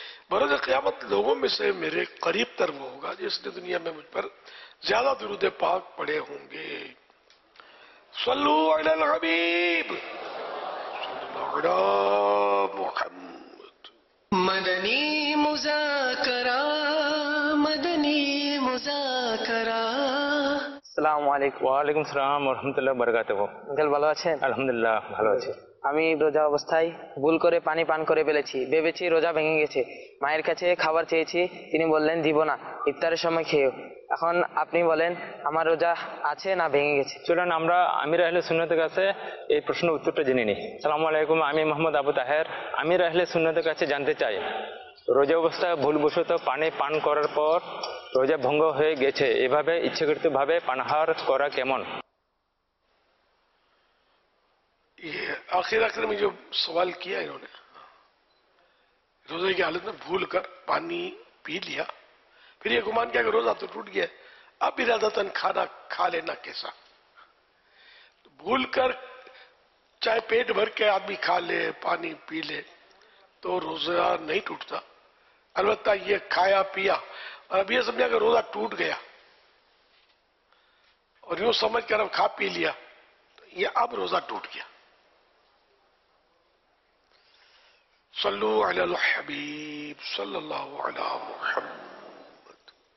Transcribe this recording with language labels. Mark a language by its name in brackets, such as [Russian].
[Urdu] بروز قیامت لوگوں میں سے میرے قریب تر وہ ہوگا جس نے دنیا میں مجھ پر زیادہ درود پاک پڑے ہوں گے۔ صلو علی الحبیب صلی اللہ علی محمد۔ مدنی مذاکرہ، مدنی مذاکرہ۔ السلام علیکم۔ وعلیکم السلام ورحمۃ اللہ وبرکاتہ۔ کل بھلو اچھے؟ الحمدللہ بھلو اچھے۔ [Bangla] আমি রোজা অবস্থায় ভুল করে পানি পান করে ফেলেছি, ভেবেছি রোজা ভেঙে গেছে। মায়ের কাছে খাবার চেয়েছি, তিনি বললেন দিব না, ইফতারের সময় খেয়েও। এখন আপনি বলেন আমার রোজা আছে না ভেঙে গেছে? চলুন আমরা আমির আহলে সুন্নতের কাছে এই প্রশ্নের উত্তরটা জেনে নিই। সালাম আলাইকুম, আমি মোহাম্মদ আবু তাহের। আমির আহলে সুন্নতের কাছে জানতে চাই, রোজা অবস্থায় ভুলবশত পানি পান করার পর রোজা ভঙ্গ হয়ে গেছে, এভাবে ইচ্ছাকৃতভাবে পানাহার করা কেমন? [Urdu] آخر آخر میں جو سوال کیا انہوں نے روزے کی حالت میں بھول کر پانی پی لیا، پھر یہ گمان کیا کہ روزہ تو ٹوٹ گیا، اب ارادتاً کھانا کھا لینا کیسا؟ بھول کر چاہے پیٹ بھر کے آدمی کھا لے پانی پی لے تو روزہ نہیں ٹوٹتا، البتہ یہ کھایا پیا اور اب یہ سمجھا کہ روزہ ٹوٹ گیا اور یوں سمجھ کر اب کھا پی لیا، یہ اب روزہ ٹوٹ گیا۔ صلوا علی الحبیب صلی اللہ علیہ محمد۔